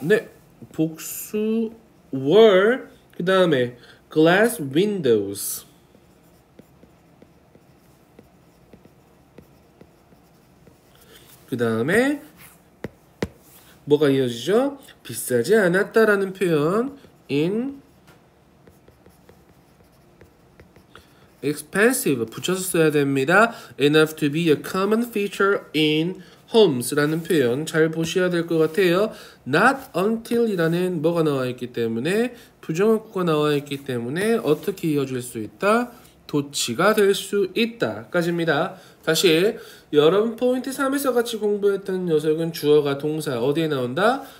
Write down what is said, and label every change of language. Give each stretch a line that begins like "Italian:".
Korean: 네, 복수 were 그 다음에
English: glass windows
Korean: 그 다음에 뭐가 이어지죠? 비싸지 않았다라는 표현 in expensive 붙여서 써야 됩니다.
English: Enough to be a common feature in homes
Korean: 라는 표현 잘 보셔야 될 것 같아요. Not until이라는 뭐가 나와 있기 때문에 부정어구가 나와 있기 때문에 어떻게 이어질 수 있다? 도치가 될 수 있다 까지입니다. 다시 여러분 포인트 3에서 같이 공부했던 녀석은 주어가 동사 어디에 나온다?